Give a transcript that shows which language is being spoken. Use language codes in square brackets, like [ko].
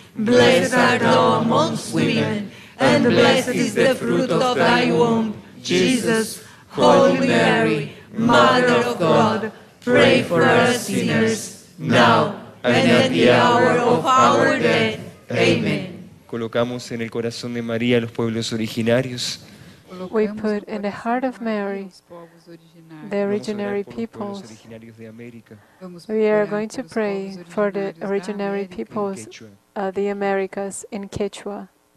[en] Blessed art thou amongst women, and blessed is the fruit of thy womb, Jesus. Holy Mary, Mother of God, pray for us sinners, now and at the hour of our death. Amen. [es] Colocamos en el corazón de María los pueblos originarios. [en] We put in the heart of Mary the originary peoples. We are going to pray for the originary peoples of the Americas in Quechua.